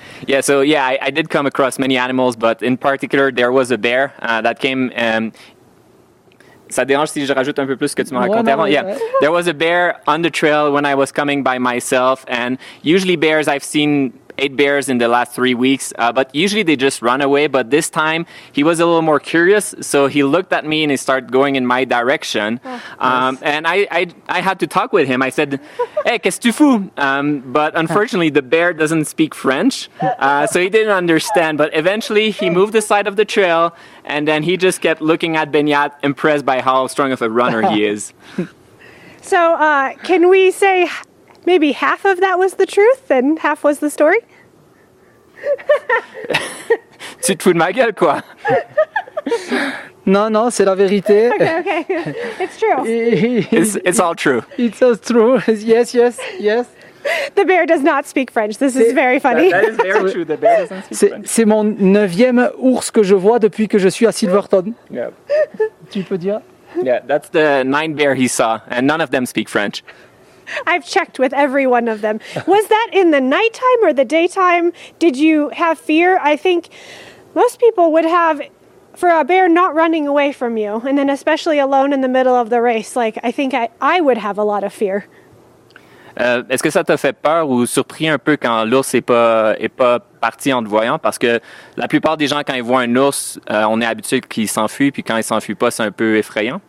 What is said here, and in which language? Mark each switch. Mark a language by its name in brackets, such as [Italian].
[English] Yeah, so yeah, I did come across many animals, but in particular, there was a bear that came... [French] Ça dérange si je rajoute un peu plus que tu m'as raconté avant. [English] Yeah, there was a bear on the trail when I was coming by myself, and usually bears, I've seen 8 bears in the last 3 weeks, but usually they just run away, but this time he was a little more curious, so he looked at me and he started going in my direction. Nice. And I had to talk with him. I said, hey, [French] qu'est-ce que tu fous? [English] But unfortunately, the bear doesn't speak French, so he didn't understand, but eventually he moved the side of the trail, and then he just kept looking at Beñat, impressed by how strong of a runner he is. So can we say... Maybe half of that was the truth and half was the story? [French] Tu te fous de ma gueule, quoi? Non, non, c'est la vérité. [English] Okay. It's true. It's all true. It's all true. Yes, yes, yes. The bear does not speak French. This is very funny. That is very true. The bear doesn't speak French. [French] C'est mon neuvième ours que je vois depuis que je suis à Silverton. [English] Yeah. [French] Tu peux dire? [English] Yeah, that's the 9th bear he saw, and none of them speak French. I've checked with every one of them. Was that in the nighttime or the daytime? Did you have fear? I think most people would have for a bear not running away from you. And then especially alone in the middle of the race. Like, I think I would have a lot of fear. [French] Est-ce que ça t'a fait peur ou surpris un peu quand l'ours est pas parti en te voyant? Parce que la plupart des gens, quand ils voient un ours, on est habitué qu'il s'enfuit. Puis quand il s'enfuit pas, c'est un peu effrayant.